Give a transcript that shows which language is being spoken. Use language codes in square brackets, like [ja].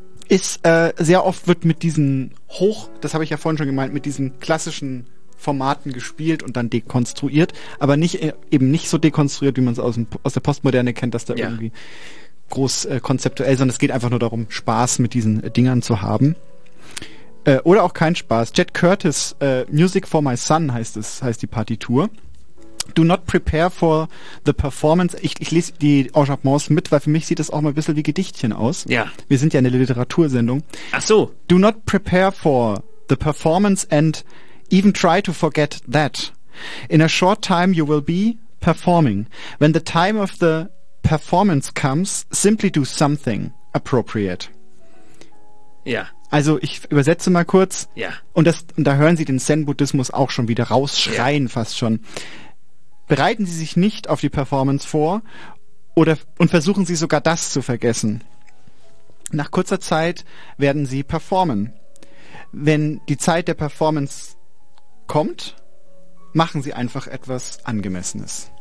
[de] Sehr oft wird mit diesen das habe ich ja vorhin schon gemeint, mit diesen klassischen Formaten gespielt und dann dekonstruiert, aber nicht so dekonstruiert, wie man es aus der Postmoderne kennt, dass da irgendwie groß konzeptuell, sondern es geht einfach nur darum, Spaß mit diesen Dingern zu haben. Oder auch kein Spaß. Jet Curtis, Music for My Son heißt die Partitur. [en] Do not prepare for the performance. [de] Ich lese die Enchantements mit, weil für mich sieht das auch mal ein bisschen wie Gedichtchen aus. Ja. Wir sind ja eine Literatursendung. Ach so. [en] Do not prepare for the performance and even try to forget that. In a short time you will be performing. When the time of the performance comes, simply do something appropriate. [de] Ja. Also ich übersetze mal kurz. Ja. Und da hören Sie den Zen-Buddhismus auch schon wieder rausschreien, fast schon. Bereiten Sie sich nicht auf die Performance vor und versuchen Sie sogar das zu vergessen. Nach kurzer Zeit werden Sie performen. Wenn die Zeit der Performance kommt, machen Sie einfach etwas Angemessenes.